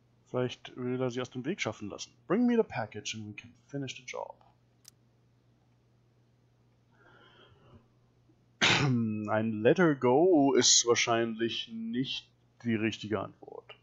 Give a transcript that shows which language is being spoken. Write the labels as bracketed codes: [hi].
[de] Vielleicht will er sie aus dem Weg schaffen lassen. [en] Bring me the package and we can finish the job. [de] Ein [en] let her go [de] ist wahrscheinlich nicht die richtige Antwort.